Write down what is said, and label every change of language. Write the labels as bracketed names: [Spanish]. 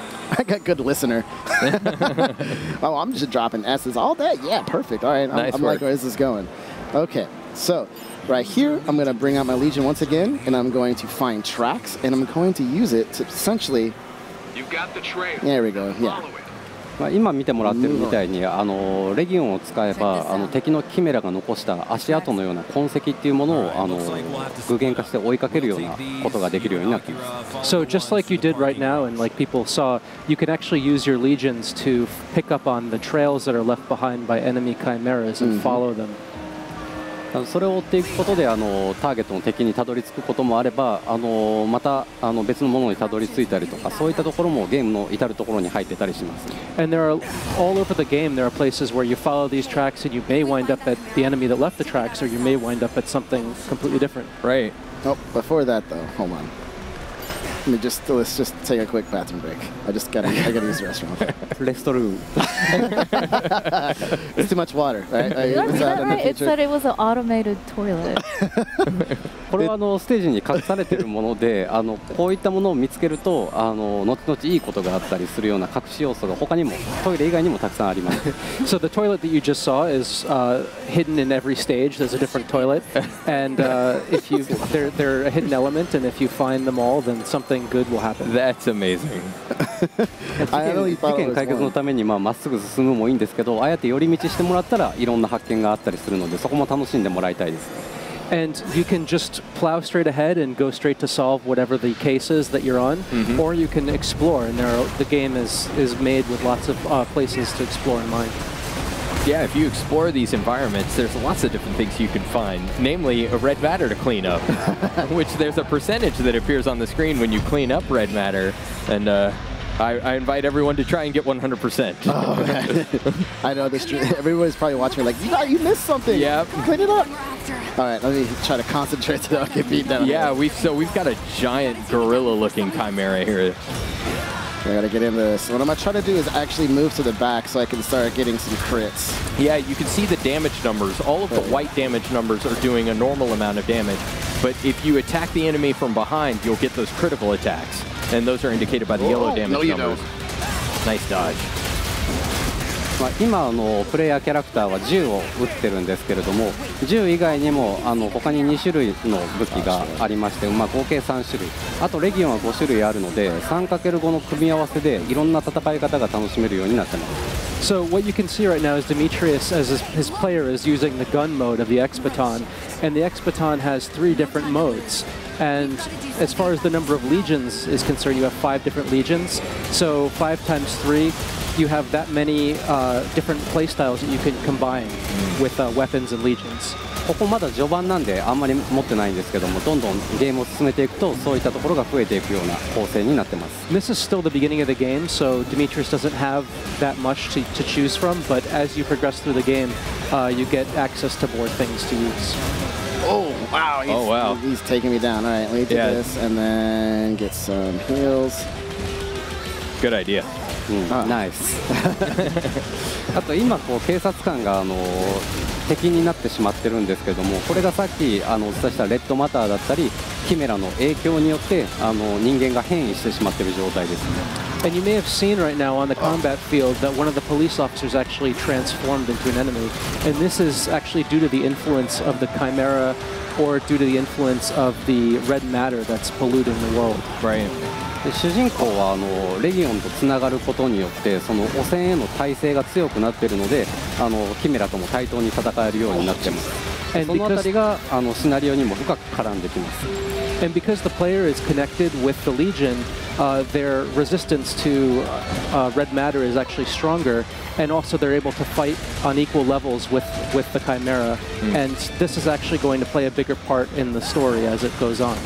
[English] I got good listener. Oh, I'm just dropping S's. All that? Yeah, perfect. All right. Nice I'm like, where is this going? Okay. So right here, I'm going to bring out my legion once again, and I'm going to find tracks, and I'm going to use it to essentially... You've got the trail. There we go. Yeah. [Japanese] まあ、今見てもらってるみたいにあのレギオンを使えばあの敵のキメラが残した足跡のような痕跡っていうものをあの具現化して追いかけるようなことができるようになっています。 [English] So just like you did right now and like people saw, you can actually use your legions to pick up on the trails that are left behind by enemy chimeras and follow them. [Japanese] それを追っていくことであのターゲットの敵にたどり着くこともあればあのまたあの別のものにたどり着いたりとかそういったところもゲームの至るところに入ってたりします。 [English] And there are all over the game there are places where you follow these tracks and you may wind up at the enemy that left the tracks or you may wind up at something completely different. Right. Oh, before that though, hold on. Let's just take a quick bathroom break. I gotta use the restroom. Restroom. It's too much water, right? Is that right? It said it was an automated toilet. [Japanese] これはあのステージに隠されているものであのこういったものを見つけるとあの後々いいことがあったりするような隠し要素が他にもトイレ以外にもたくさんあります。 [English] So the toilet that you just saw is hidden in every stage. There's a different toilet. And if you, they're a hidden element, and if you find them all, then something good will happen. That's amazing. [Japanese] 事件解決のためにまあ真っ直ぐ進むもいいんですけど、あえて寄り道してもらったらいろんな発見があったりするのでそこも楽しんでもらいたいです。 [English] And you can just plow straight ahead and go straight to solve whatever the case is that you're on, mm-hmm. or you can explore. And there are, the game is made with lots of places to explore in mind. Yeah, if you explore these environments, there's lots of different things you can find, namely a red matter to clean up, which there's a percentage that appears on the screen when you clean up red matter. And I invite everyone to try and get 100%. Oh, man. I know. Everybody's probably watching me like, yeah, you missed something. Yep. Clean it up. All right, let me try to concentrate so I can beat that. Yeah, we've got a giant gorilla-looking Chimera here. I gotta get into this. What I'm gonna try to do is actually move to the back so I can start getting some crits. Yeah, you can see the damage numbers. All of the white damage numbers are doing a normal amount of damage. But if you attack the enemy from behind, you'll get those critical attacks. And those are indicated by the yellow damage numbers. Nice dodge. [Japanese] まあ、今のプレイヤーキャラクターは銃を撃ってるんですけれども、銃以外にもあの他に2種類の武器がありまして、まあ、合計3種類、あとレギオンは5種類あるので 3×5 の組み合わせでいろんな戦い方が楽しめるようになってます。 [English] So what you can see right now is Demetrius, as his player, is using the gun mode of the X-Baton, and the X-Baton has three different modes. And as far as the number of legions is concerned, you have 5 different legions. So 5 times 3, you have that many different playstyles that you can combine with weapons and legions. [Japanese] ここまだ序盤なんであんまり持ってないんですけども、どんどんゲームを進めていくとそういったところが増えていくような構成になってます。 [English] This is still the beginning of the game, so Demetrius doesn't have that much to choose from, but as you progress through the game, you get access to more things to use. Oh, wow. He's taking me down. All right, let me do this and then get some heals. Good idea. Nice. [Japanese] あと今こう警察官が敵になってしまってるんですけども、これがさっきお伝えしたレッドマターだったりキメラの影響によって人間が変異してしまってる状態です。 [English] And you may have seen right now on the combat field that one of the police officers actually transformed into an enemy. And this is actually due to the influence of the Chimera or due to the influence of the red matter that's polluting the world. Right. [Japanese] 主人公はレギオンとつながることによってその汚染への耐性が強くなっているのでキメラとも対等に戦えるようになっています。そのあたりがシナリオにも深く絡んできます。 [English] And because the player is connected with the Legion, their resistance to red matter is actually stronger, and also they're able to fight on equal levels with the Chimera. Mm. And this is actually going to play a bigger part in the story as it goes on.